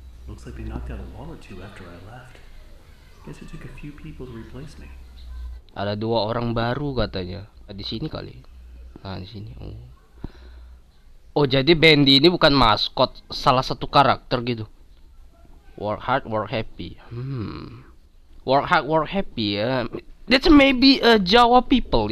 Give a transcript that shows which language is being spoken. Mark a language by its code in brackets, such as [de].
[en] Looks like they knocked out a wall or two after I left. Guess it took a few people to replace me. [id] Ada dua orang baru katanya. Di sini kali. Nah, di sini. Oh, jadi Bendy ini bukan maskot, salah satu karakter gitu. [en] Work hard, work happy. Work hard, work happy. That's maybe a Jawa people.